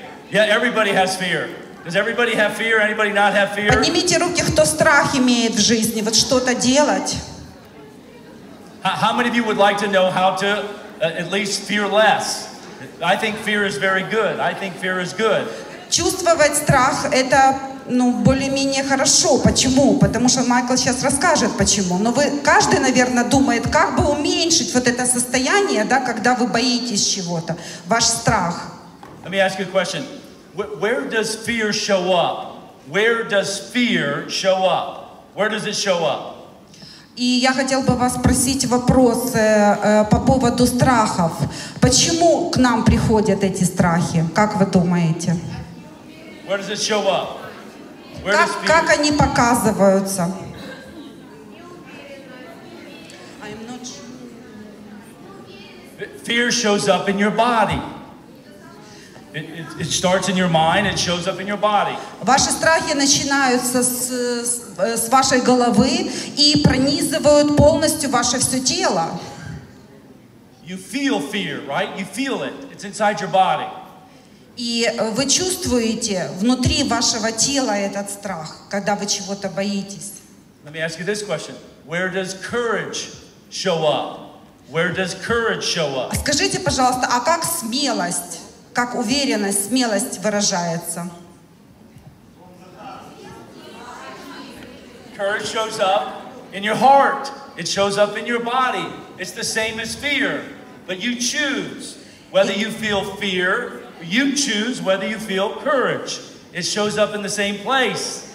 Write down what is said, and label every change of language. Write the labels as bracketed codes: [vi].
[en] Yeah, everybody has fear. Does everybody have fear? Anybody not have fear? [ru] Поднимите руки, кто страх имеет в жизни, вот что-то делать. [en] How many of you would like to know how to at least fear less? I think fear is very good. I think fear is good. [ru] Чувствовать страх — это, ну, более-менее хорошо. Почему? Потому что Майкл сейчас расскажет, почему. Но вы, каждый, наверное, думает, как бы уменьшить вот это состояние, да, когда вы боитесь чего-то, ваш страх. [en] Let me ask you a question. Where does fear show up? Where does fear show up? Where does it show up? [ru] И я хотел бы вас спросить вопрос по поводу страхов. Почему к нам приходят эти страхи? Как вы думаете? [en] Where does it show up? [ru] Как они показываются? [en] I'm not sure. Fear shows up in your body. It starts in your mind. It shows up in your body. [ru] Ваши страхи начинаются с вашей головы и пронизывают полностью ваше все тело. [en] You feel fear, right? You feel it. It's inside your body. [ru] И вы чувствуете внутри вашего тела этот страх, когда вы чего-то боитесь. [en] Let me ask you this question: Where does courage show up? Where does courage show up? [ru] Скажите, пожалуйста, а как смелость? Как уверенность, смелость выражается? [en] Courage shows up in your heart. It shows up in your body. It's the same as fear. But you choose whether you feel fear. You choose whether you feel courage. It shows up in the same place.